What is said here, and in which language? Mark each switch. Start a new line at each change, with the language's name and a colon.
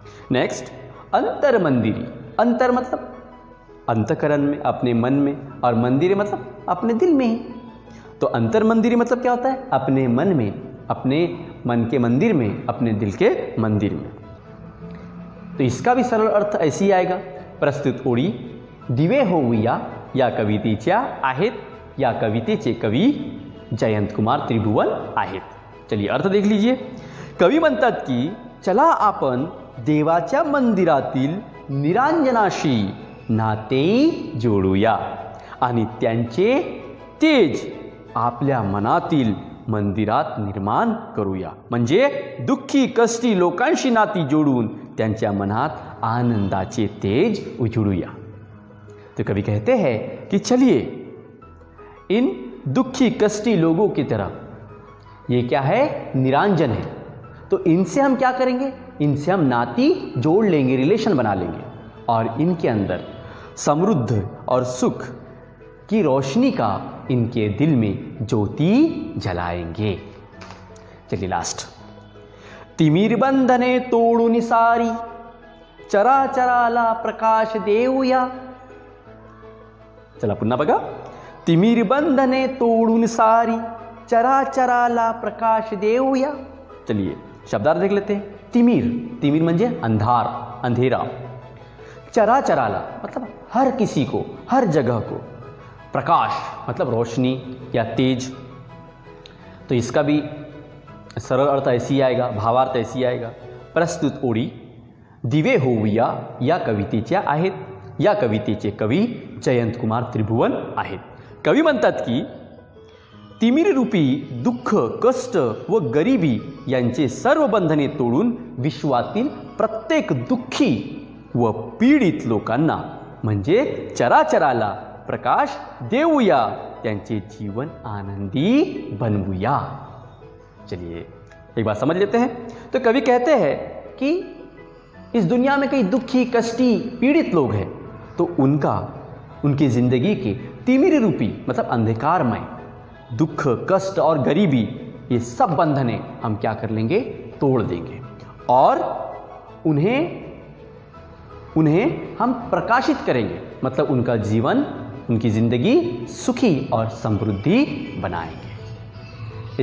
Hindi: Next अंतर मंदिरी, अंतर मतलब अंतकरण में अपने मन में और मंदिर मतलब अपने दिल में ही, तो अंतर मंदिरी मतलब क्या होता है, अपने मन में, अपने मन के मंदिर में, अपने दिल के मंदिर में। तो इसका भी सरल अर्थ ऐसे ही आएगा,
Marathi: प्रस्तुत उड़ी दिवे होविया या कवितेच्या आहेत, या कवितेचे कवि जयंत कुमार त्रिभुवन आहेत।
Hindi: चलिए अर्थ देख लीजिए,
Marathi: कवि म्हणतात की चला आपण देवाच्या मंदिरातील निरांजनाशी नाते जोडूया आणि त्यांचे तेज आपल्या मनातील मंदिरात निर्माण करूया, म्हणजे दुःखी कष्टी लोकांशी नाती जोडून त्यांच्या मनात आनंदाचे तेज उजळूया।
Hindi: तो कवी कहते हैं कि चलिए इन दुखी कष्टी लोगों की तरह, ये क्या है निरांजन है, तो इनसे हम क्या करेंगे, इनसे हम नाती जोड़ लेंगे, रिलेशन बना लेंगे और इनके अंदर समृद्ध और सुख की रोशनी का इनके दिल में ज्योति जलाएंगे। चलिए लास्ट।
Marathi: तिमिर बंधने तोड़ू निसारी चरा चराला प्रकाश देऊया। चला पुन्हा बघा, तिमिर बंधने तोड़ून सारी चराचराला प्रकाश देऊया।
Hindi: चलिए शब्दार्थ देख लेते हैं। तिमिर,
Marathi: तिमिर म्हणजे अंधार,
Hindi: अंधेरा। चराचराला मतलब हर किसी को, हर जगह को। प्रकाश मतलब रोशनी या तेज। तो इसका भी सरल अर्थ ऐसी आएगा, भावार्थ ऐसी आएगा।
Marathi: प्रस्तुत ओळी दिवे होऊया या कवितेच्या आहेत। या कवितेचे कवी जयंत कुमार त्रिभुवन आहेत। कवी म्हणतात की तिमिर रूपी दुःख, कष्ट व गरिबी यांचे सर्व बंधने तोडून विश्वातील प्रत्येक दुःखी व पीडित लोकांना म्हणजे चराचराला प्रकाश देऊया, त्यांचे जीवन आनंदी बनवूया।
Hindi: चलिए एक बार समझ लेते हैं। तो कवि कहते हैं कि इस दुनिया में कई दुखी, कष्टी, पीड़ित लोग हैं, तो उनका, उनकी जिंदगी के तिमिर रूपी मतलब अंधकारमय दुख, कष्ट और गरीबी, ये सब बंधने हम क्या कर लेंगे, तोड़ देंगे और उन्हें उन्हें हम प्रकाशित करेंगे, मतलब उनका जीवन, उनकी जिंदगी सुखी और समृद्धि बनाएंगे।